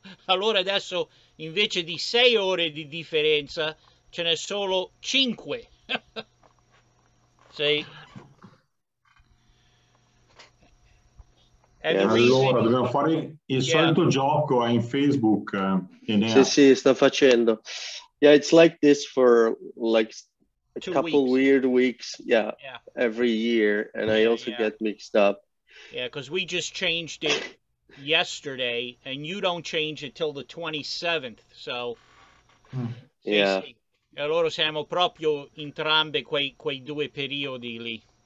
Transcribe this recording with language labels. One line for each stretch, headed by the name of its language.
Italian: Allora adesso invece di 6 ore di differenza ce n'è solo 5. Sì. Allora dobbiamo fare il solito gioco in Facebook. Sì, sta facendo.
English: Yeah, it's like this for like a couple weird weeks, every year, and I also get mixed up. Yeah, because we just changed it yesterday, and you don't change it till the 27th, so... Yeah.
Italian: E allora siamo proprio entrambe quei due periodi lì.